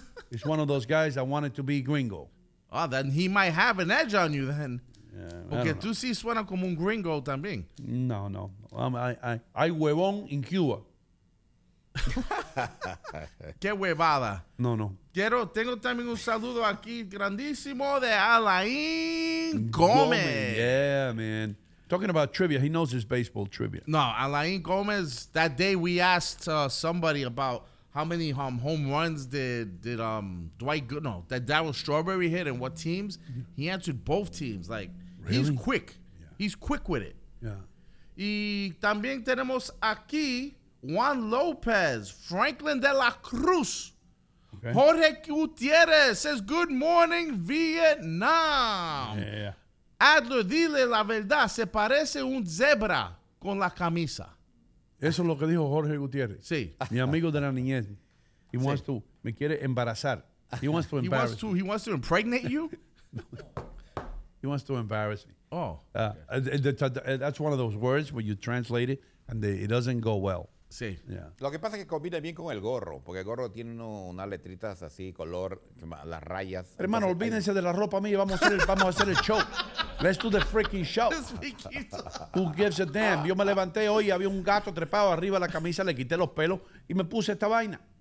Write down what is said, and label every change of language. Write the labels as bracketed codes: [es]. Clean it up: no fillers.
[en] He's one of those guys that wanted to be gringo. Oh, then he might have an edge on you then. Yeah, [es] okay, tú sí suena como un gringo también. [en] No. I [es] huevón [en] in Cuba. [es] Qué huevada. No. Tengo también un saludo aquí grandísimo de Alain Gómez. [en] Yeah, man. Talking about trivia, he knows his baseball trivia. No, Alain Gómez, that day we asked somebody about how many home runs did Dwight Gooden, that Darryl Strawberry hit, and what teams? He answered both teams. Like, really? He's quick. Yeah. He's quick with it. Yeah. [es] Y también tenemos aquí Juan Lopez, Franklin de la Cruz. [en] Okay. Jorge Gutierrez says, good morning, Vietnam. Yeah. [es] Adler, dile la verdad, se parece un zebra con la camisa. Eso es lo que dijo Jorge Gutiérrez. Sí. Mi amigo de la niñez. Me quiere embarazar. [en] He wants to impregnate you? He wants to embarrass me. Oh. That's one of those words where you translate it and it doesn't go well. [es] Sí. [en] Yeah. [es] Lo que pasa es que combina bien con el gorro, porque el gorro tiene unas letritas así, color, las rayas. Hermano, olvídense de la ropa mía. Vamos a hacer el show. [en] Let's do the freaking show. Who gives a damn? [es] Yo me levanté hoy y había un gato trepado arriba de la camisa, le quité los pelos y me puse esta vaina.